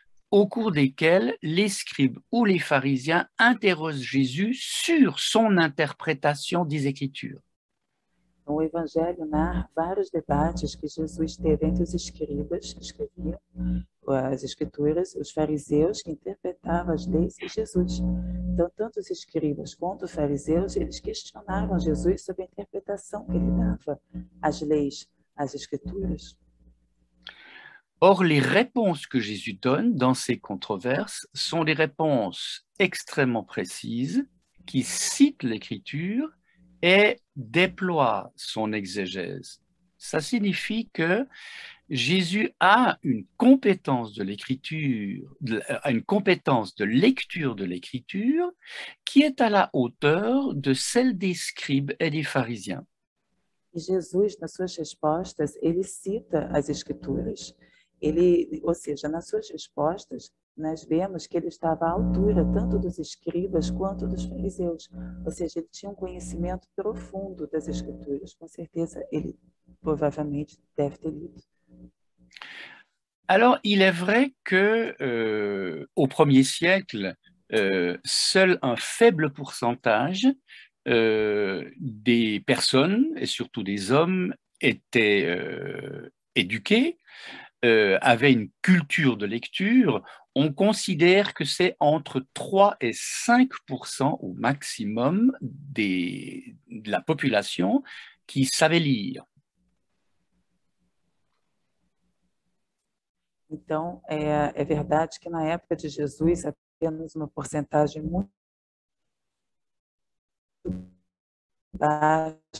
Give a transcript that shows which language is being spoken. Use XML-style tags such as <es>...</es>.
<fr>au cours desquels les scribes ou les pharisiens interrogent Jésus sur son interprétation des Écritures.</fr> <pt>O Evangelho narra vários debates que Jesus teve entre os escribas que escreviam as escrituras, os fariseus que interpretavam as leis e Jesus. Então, tanto os escribas quanto os fariseus, eles questionavam Jesus sobre a interpretação que ele dava às leis, às escrituras.</pt> <fr>Or, les réponses que Jésus donne dans ces controverses sont des réponses extrêmement précises qui citent l'Écriture et déploie son exégèse. Ça signifie que Jésus a une compétence de l'écriture, une compétence de lecture de l'écriture qui est à la hauteur de celle des scribes et des pharisiens.</fr> <pt>Jésus, nas suas respostas, ele cita as escrituras. Ele, ou seja, nas suas respostas, nós vemos que ele estava à altura tanto dos escribas quanto dos fariseus. Ou seja, ele tinha um conhecimento profundo das escrituras. Com certeza, ele provavelmente deve ter lido.</pt> <fr>Alors, il est vrai que au premier siècle, seul un faible pourcentage des personnes, et surtout des hommes, étaient éduqués. Avait une culture de lecture, on considère que c'est entre 3 et 5% au maximum de la population qui savait lire.</fr> <pt>Então, é verdade que na época de Jesus apenas uma porcentagem muito baixa.</pt>